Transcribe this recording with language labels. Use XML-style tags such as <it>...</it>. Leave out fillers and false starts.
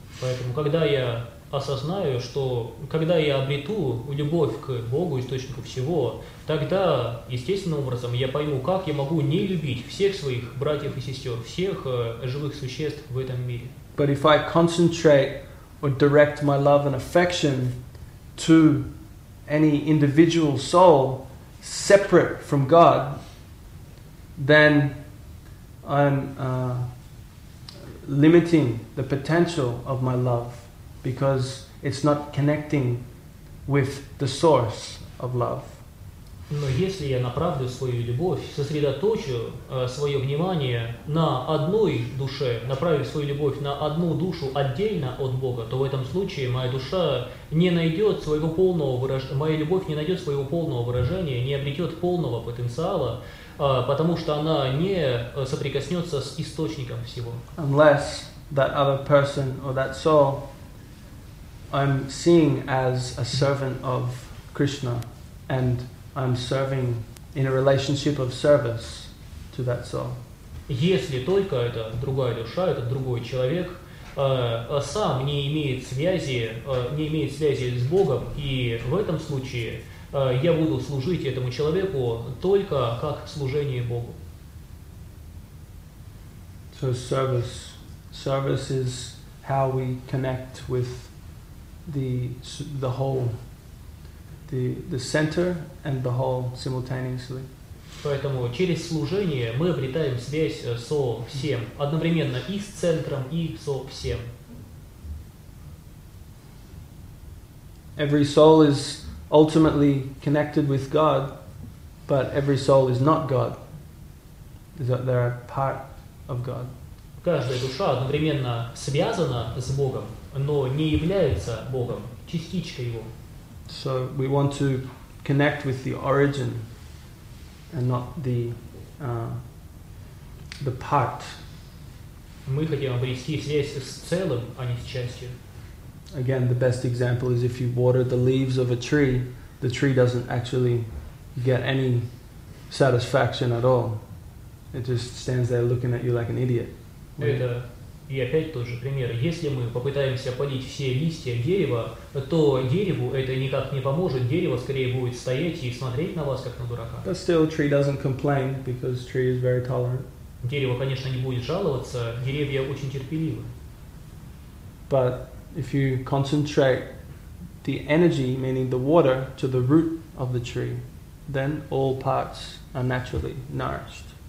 <ru>Поэтому, когда я осознаю, что когда я обрету любовь к Богу, источнику всего, тогда естественным образом я пойму, как я могу не любить всех своих братьев и сестер, всех живых существ в этом мире.</ru> <en>But if I concentrate or direct my love and affection to any individual soul separate from God, then I'm limiting the potential of my love, because it's not connecting with the source of love.</en> <ru>Но если я направлю свою любовь, сосредоточу свое внимание на одной душе, направив свою любовь на одну душу отдельно от Бога, то в этом случае моя душа не найдет своего полного выражения, моя любовь не найдет своего полного выражения, не обретет полного потенциала, потому что она не соприкоснется с источником всего.</ru> <en>Unless that other person or that soul I'm seeing as a servant of Krishna, and I'm serving in a relationship of service to that soul.</en> <ru>Если только это другая душа, это другой человек, сам не имеет связи с Богом, и в этом случае я буду служить этому человеку только как служение Богу.</ru> <en>So service is how we connect with the whole, the center and the whole simultaneously.</en> <ru>Поэтому через служение мы обретаем связь со всем одновременно, и с центром, и со всем.</ru> <en>Every soul is ultimately connected with God, but every soul is not God. They are part of God.</en> <ru>Каждая душа одновременно связана с Богом, но не является Богом, частичка Его.</ru> <en>So we want to connect with the origin and not the part.</en> <ru>Мы хотим обрести связь с целым, а не с частью.</ru> <en>Again, the best example is if you water the leaves of a tree, the tree doesn't actually get any satisfaction at all. It just stands there looking at you like an idiot.</en> <ru>Это И опять тот же пример. Если мы попытаемся полить все листья дерева, то дереву это никак не поможет. Дерево скорее будет стоять и смотреть на вас, как на дурака.</ru> <en>But still, tree doesn't complain because tree is very tolerant.</en> <ru>Дерево, конечно, не будет жаловаться. Деревья очень терпеливы.</ru> <en>But if you concentrate the energy, meaning the water, to the root of the tree, then all parts are naturally nourished.</en>